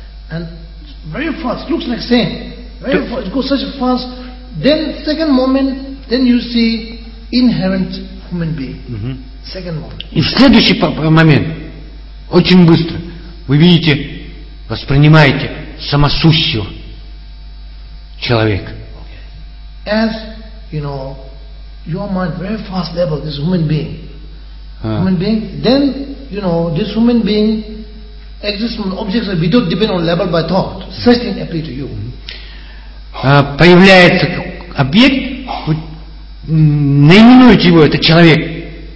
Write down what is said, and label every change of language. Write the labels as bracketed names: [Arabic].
[English] And very fast, looks like same. Very fast, it goes such a fast. Then second moment, then you see inherent human being. Second moment. [Russian] И в следующий момент, очень быстро, вы видите, воспринимаете самосущего человека. [English] As you know, your mind very fast level this human being. Human being, then you know this human being exists on objects that we don't depend on level by thought. Such thing appear to you. [Russian] Появляется объект, наименует его этот человек.